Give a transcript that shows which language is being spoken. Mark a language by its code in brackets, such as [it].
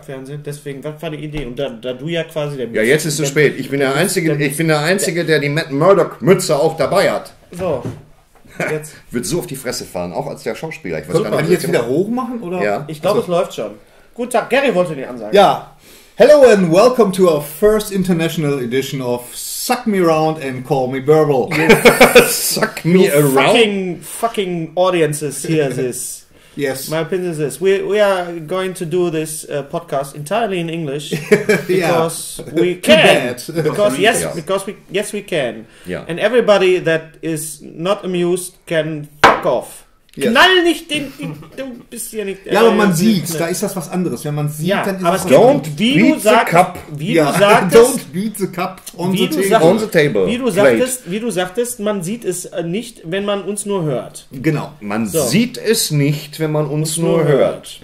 [de] Fernsehen, deswegen, was war die Idee? Und da du ja quasi der Mütze. Ja, jetzt ist es zu spät. Ich bin der Einzige, der die Matt Murdock-Mütze auch dabei hat. So. Jetzt. Wird so auf die Fresse fahren, auch als der Schauspieler. Ich weiß gar nicht, man die jetzt wieder hoch machen? Oder? Ja. Ich glaube, es läuft schon. Guten Tag, Gary wollte die Ansage. Ja. [en] Hello and welcome to our first international edition of Suck Me Round and Call Me Burble. Yes. Suck Me you Around? Fucking audiences here, this. Yes. My opinion is this. We are going to do this podcast entirely in English. Because we can. Too bad. Because we can. Yeah. And everybody that is not amused can fuck off. Yes. [de] Knall nicht den, du bist hier nicht... Ja, aber man sieht, da ist das was anderes. Wenn man sieht, dann ist [en] es... Don't beat the cup. Don't beat the cup on the table. [de] Wie du sagtest, man sieht es nicht, wenn man uns nur hört. Genau. Man sieht es nicht, wenn man uns nur hört.